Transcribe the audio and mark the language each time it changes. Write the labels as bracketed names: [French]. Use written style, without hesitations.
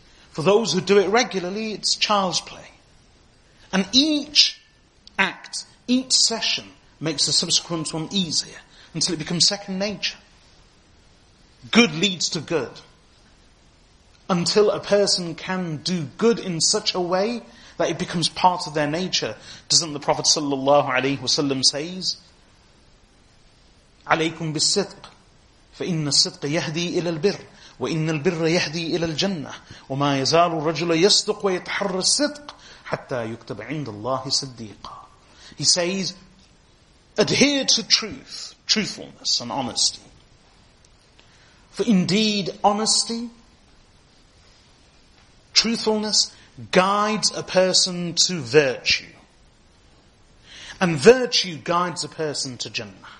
[English] For those who do it regularly, it's child's play. And each act, each session, makes the subsequent one easier, until it becomes second nature. Good leads to good. Until a person can do good in such a way that it becomes part of their nature. Doesn't the Prophet sallallahu alaihi wasallam says, [Arabic] عليكم بالصدق فإن الصدق يهدي إلى البر وإن البر يهدي إلى الجنة وما يزال الرجل يصدق ويتحرى الصدق حتى يكتب عند الله صديقا. [English] He says, adhere to truth, truthfulness and honesty. For indeed honesty, truthfulness, guides a person to virtue. And virtue guides a person to Jannah.